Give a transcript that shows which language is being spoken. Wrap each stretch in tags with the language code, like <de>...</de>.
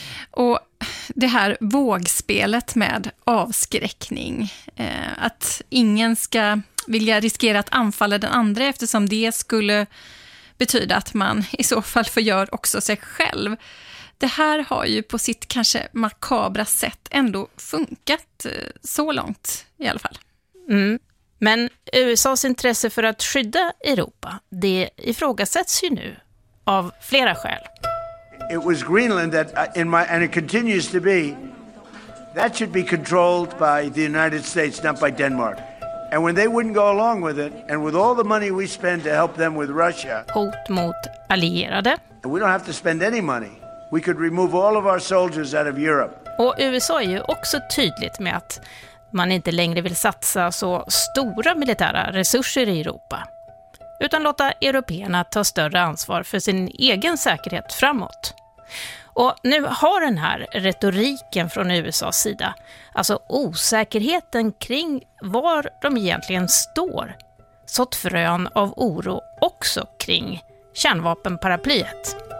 <sv>Och det här vågspelet med avskräckning, att ingen ska vilja riskera att anfalla den andra eftersom det skulle betyda att man i så fall förgör också sig själv. Det här har ju på sitt kanske makabra sätt ändå funkat så långt i alla fall. Mm. Men USAs intresse för att skydda Europa, det ifrågasätts ju nu av flera skäl.</sv> <en>It was Greenland that in my and it continues to be that should be controlled by the United States, not by Denmark. And when they wouldn't go along with it and with all the money we spend to help them with Russia.</en> <sv>Hot mot allierade.</sv> <en>We don't have to spend any money. We could remove all of our soldiers out of Europe.</en> <sv>Och USA är ju också tydligt med att man inte längre vill satsa så stora militära resurser i Europa, utan låta europeerna ta större ansvar för sin egen säkerhet framåt. Och nu har den här retoriken från USAs sida, alltså osäkerheten kring var de egentligen står, sått frön av oro också kring kärnvapenparaplyet.</sv>